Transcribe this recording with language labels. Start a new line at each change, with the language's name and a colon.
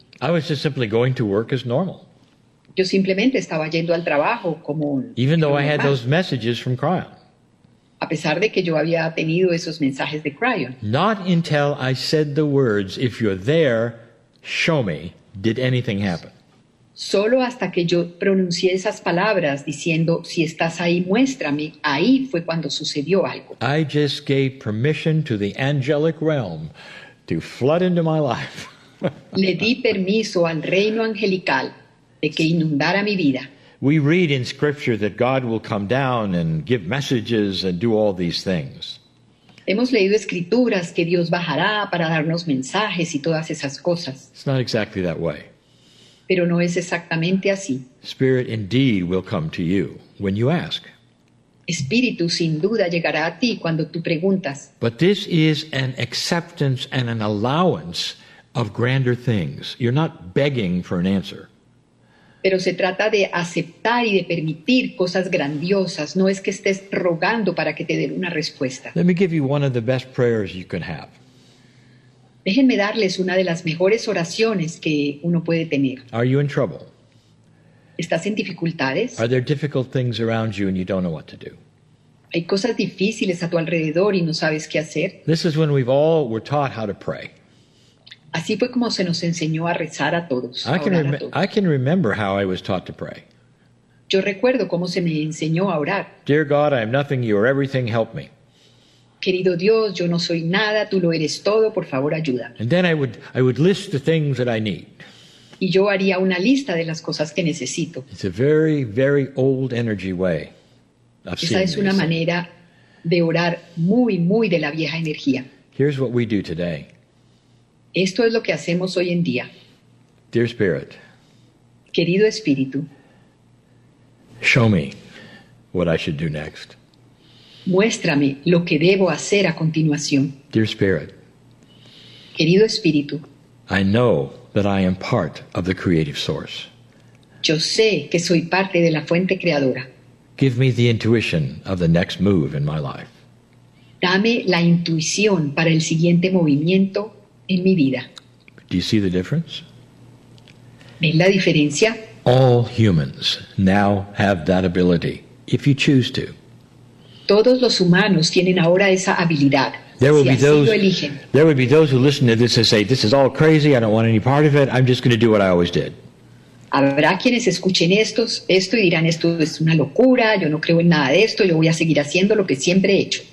English: I was just simply going to work as normal.
Spanish: Yo simplemente estaba yendo al trabajo como
English: even though I had those messages from Cryon.
Spanish: A pesar de que yo había tenido esos mensajes de Cryon.
English: Not until I said the words, if you're there, show me, did anything happen.
Spanish: Solo hasta que yo pronuncié esas palabras diciendo, si estás ahí, muéstrame, ahí fue cuando sucedió algo.
English: I just gave permission to the angelic realm to flood into my life.
Spanish: Le di permiso al reino angelical de que inundara mi vida.
English: We read in Scripture that God will come down and give messages and do all these things.
Spanish: Hemos leído escrituras que Dios bajará para darnos mensajes y todas esas cosas.
English: It's not exactly that way.
Spanish: Pero no es exactamente así.
English: Spirit indeed will come to you when you ask.
Spanish: Espíritu sin duda llegará a ti cuando tú preguntas.
English: But this is an acceptance and an allowance of grander things. You're not begging for an answer.
Spanish: Pero se trata de aceptar y de permitir cosas grandiosas. No es que estés rogando para que te den una respuesta.
English: Let me give you one of the best prayers you can have.
Spanish: Déjenme darles una de las mejores oraciones que uno puede tener.
English: Are you in trouble?
Spanish: ¿Estás en dificultades?
English: Are there difficult things around you and you don't know what to do?
Spanish: ¿Hay cosas difíciles a tu alrededor y no sabes qué hacer?
English: This is when we've all were taught how to pray.
Spanish: Así fue como se nos enseñó a rezar a todos.
English: I can remember how I was taught to pray.
Spanish: Yo recuerdo cómo se me enseñó a orar.
English: Dear God, I am nothing, you are everything, help me.
Spanish: Querido Dios, yo no soy nada, tú lo eres todo, por favor, ayúdame.
English: And then I would list the things that I need.
Spanish: Y yo haría una lista de las cosas que necesito.
English: It's a very, very old energy way of seeing.
Spanish: Esa es una manera de orar muy, muy de la vieja energía.
English: Here's what we do today.
Spanish: Esto es lo que hacemos hoy en día.
English: Dear Spirit,
Spanish: querido Espíritu,
English: show me what I should do next.
Spanish: Muéstrame lo que debo hacer a continuación.
English: Dear Spirit,
Spanish: querido Espíritu,
English: I know that I am part of the creative source.
Spanish: Yo sé que soy parte de la fuente creadora.
English: Give me the intuition of the next move in my life.
Spanish: Dame la intuición para el siguiente movimiento. En mi vida.
English: Do you see the difference?
Spanish: ¿Ven la diferencia?
English: All humans now have that ability, if you choose to.
Spanish: Todos los humanos tienen ahora esa habilidad.
English: There will be those who listen to this and say, this is all crazy, I don't want any part of it, I'm just going to do what I always did.
Spanish: Habrá quienes escuchen esto y dirán, esto es una locura, yo no creo en nada de esto, yo voy a seguir haciendo lo que siempre he hecho.